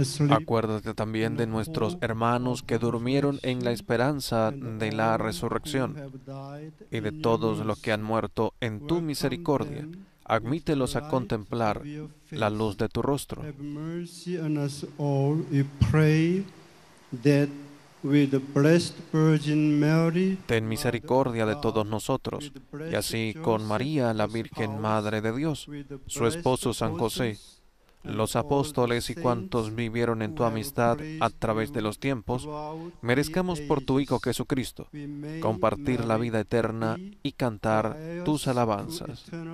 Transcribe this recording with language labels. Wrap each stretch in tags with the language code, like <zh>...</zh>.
<es>Acuérdate también de nuestros hermanos que durmieron en la esperanza de la resurrección, y de todos los que han muerto en tu misericordia. Admítelos a contemplar la luz de tu rostro.</es> <en>Have mercy on us all, we pray, that with the Blessed Virgin Mary,</en> <es>ten misericordia de todos nosotros, y así con María, la Virgen Madre de Dios, su esposo San José, los apóstoles y cuantos vivieron en tu amistad a través de los tiempos, merezcamos por tu Hijo Jesucristo compartir la vida eterna y cantar tus alabanzas.</es>